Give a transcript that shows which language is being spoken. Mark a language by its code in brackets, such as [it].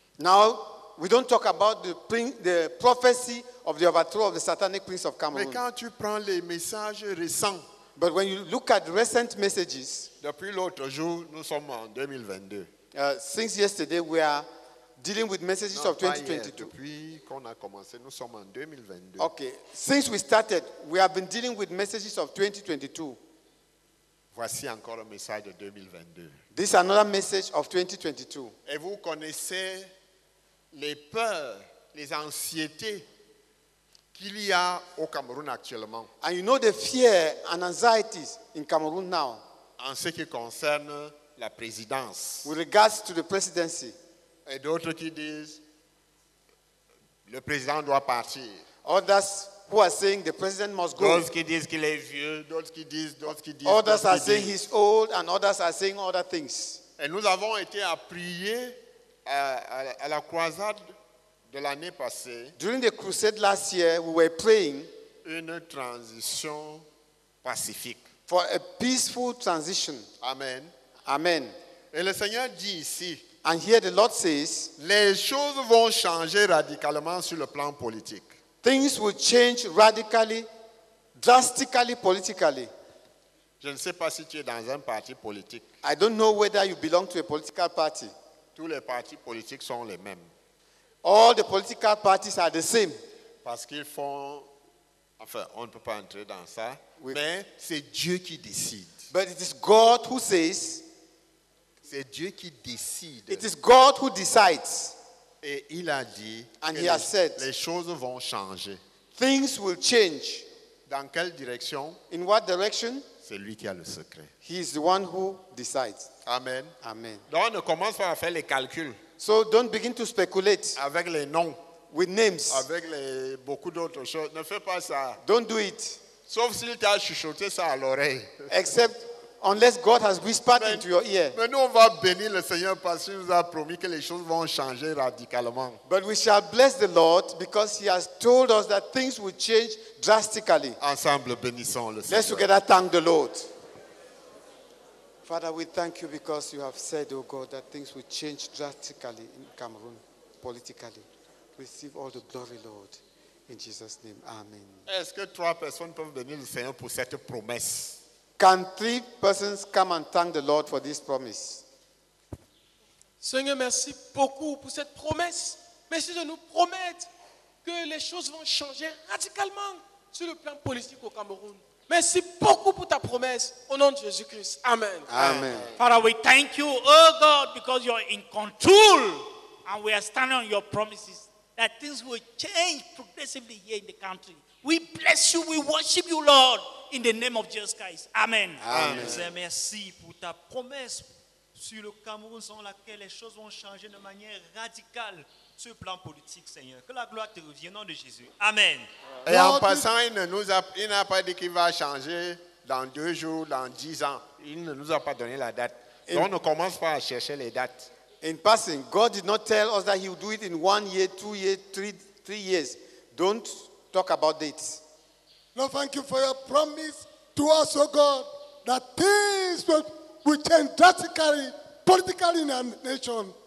[en] Now, we don't talk about the prophecy of the overthrow of the satanic prince of Cameroon. [fr] Mais quand tu prends les messages récents, [en] but when you look at recent messages, [fr] depuis l'autre jour, nous sommes en 2022. [en] Since yesterday, we are dealing with messages [fr] non, [en] of 2022. [fr] Yet. Depuis qu'on a commencé, nous sommes en 2022. [en] Okay. Since we started, we have been dealing with messages of 2022. [fr] Voici encore un message de 2022. [en] This is another message of 2022. [fr] Et vous connaissez les peurs, les anxiétés qu'il y a au Cameroun actuellement. [en] And you know the fear and anxieties in Cameroon now. [fr] En ce qui concerne la présidence. [en] With regards to the presidency. [fr] Et d'autres qui disent le président doit partir. [en] Others who are saying the president must go. [fr] D'autres qui disent qu'il est vieux. D'autres qui disent. [en] Others are saying he's old and others are saying other things. [fr] Et nous avons été à prier à la croisade de l'année passée. [en] During the crusade last year, we were praying [fr] une transition pacifique. [en] For a peaceful transition. [fr] Amen. [en] Amen. [fr] Et le Seigneur dit ici, [en] and here the Lord says, [fr] les choses vont changer radicalement sur le plan politique. [en] Things will change radically, drastically, politically. [fr] Je ne sais pas si tu es dans un parti politique. [en] I don't know whether you belong to a political party. [fr] Tous les partis politiques sont les mêmes. [en] All the political parties are the same. [fr] Parce qu'ils font, enfin, on ne peut pas entrer dans ça. Oui. Mais c'est Dieu qui décide. [en] But it is God who says. [fr] C'est Dieu qui décide. [en] It is God who decides. [fr] Et il a dit. [en] And he has said. [fr] Les choses vont changer. [en] Things will change. [fr] Dans quelle direction? [en] In what direction? [fr] C'est lui qui a le secret. [en] He is the one who decides. [fr] Amen. [en] Amen. [fr] Donc, ne commence pas à faire les calculs. [en] So don't begin to speculate [fr] avec les noms, [en] with names. [fr] Avec les beaucoup d'autres choses. Ne fais pas ça. [en] Don't do it. [fr] Sauf s'il t'a chuchoté ça à l'oreille. [en] Except unless God has whispered into your ear. [fr] Mais nous on va bénir le Seigneur parce qu'il nous a promis que les choses vont changer radicalement. [en] But we shall bless the Lord because he has told us that things will change drastically. [fr] Ensemble bénissons le Seigneur. [en] Let's together thank the Lord. Father, we thank you because you have said, oh God, that things will change drastically in Cameroon, politically. Receive all the glory, Lord. In Jesus' name, amen. [fr] Est-ce que trois personnes peuvent bénir le Seigneur pour cette promesse? [en] Can three persons come and thank the Lord for this promise? [fr] Seigneur, merci beaucoup pour cette promesse. Merci de nous promettre que les choses vont changer radicalement sur le plan politique au Cameroun. Merci beaucoup pour ta promesse. Au nom de Jésus-Christ. Amen. Amen. [en] Father, we thank you, oh God, because you are in control. And we are standing on your promises that things will change progressively here in the country. We bless you. We worship you, Lord, in the name of Jesus Christ. Amen. Amen. [fr] Merci pour ta promesse sur le Cameroun selon laquelle les choses vont changer de manière radicale. Ce plan politique, Seigneur. Que la gloire te revienne au nom de Jésus. Amen. Et en passant, il n'a pas dit qu'il va changer dans 2 jours, dans 10 ans. Il ne nous a pas donné la date. Donc on ne commence pas à chercher les dates. [en] In passing, God did not tell us that he would do it in 1 year, 2 years, three years. Don't talk about dates. Lord, thank you for your promise to us, oh God, that things will change drastically, politically in our nation.